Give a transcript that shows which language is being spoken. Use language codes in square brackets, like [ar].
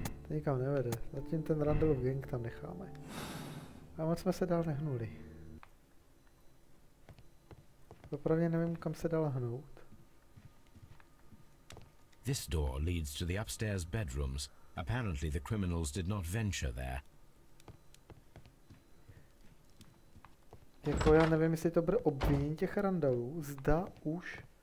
[cs] Nikam nevede, zatím ten Randallův gang tam necháme. A moc jsme se dál nehnuli. Opravdu nevím, kam se dál hnout. [en] This door leads to the upstairs bedrooms. Apparently the criminals did not venture there. [cs] Jako já nevím, jestli to bude obvinění těch Randallů, zda už